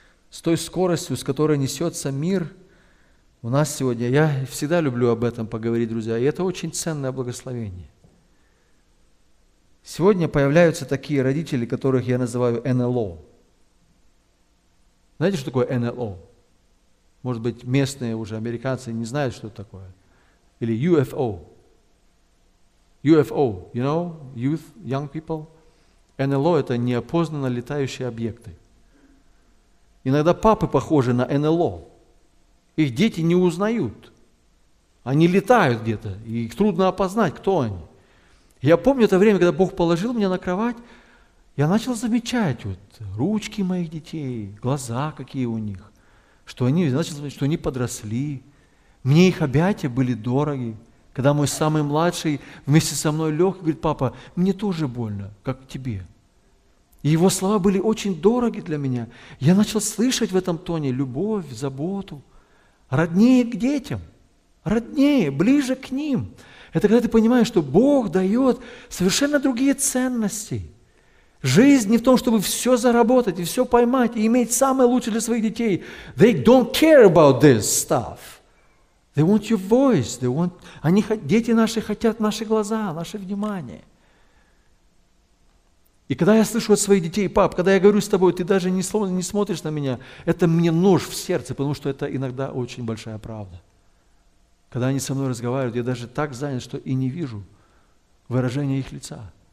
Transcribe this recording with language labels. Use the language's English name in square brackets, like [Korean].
[Russian] С той скоростью, с которой несется мир у нас сегодня, я всегда люблю об этом поговорить, друзья, и это очень ценное благословение. Сегодня появляются такие родители, которых я называю НЛО. Знаете, что такое НЛО? Может быть, местные уже американцы не знают, что это такое. Или UFO. [English] UFO, you know, youth, young people. [Russian] НЛО – это неопознанно летающие объекты. Иногда папы похожи на НЛО. Их дети не узнают. Они летают где-то, и их трудно опознать, кто они. Я помню это время, когда Бог положил меня на кровать, я начал замечать вот ручки моих детей, глаза какие у них, что они подросли. Мне их объятия были дороги. Когда мой самый младший вместе со мной лег и говорит, папа, мне тоже больно, как тебе. И его слова были очень дороги для меня. Я начал слышать в этом тоне любовь, заботу. Роднее к детям, роднее, ближе к ним. Это когда ты понимаешь, что Бог дает совершенно другие ценности. Жизнь не в том, чтобы все заработать и все поймать, и иметь самое лучшее для своих детей. [English] They don't care about this stuff. They want your voice. They want... [Russian] Они, дети наши хотят наши глаза, наше внимание. И когда я слышу от своих детей, пап, когда я говорю с тобой, ты даже не смотришь на меня, это мне нож в сердце, потому что это иногда очень большая правда. Когда они со мной разговаривают, я даже так занят, что и не вижу выражения их лица.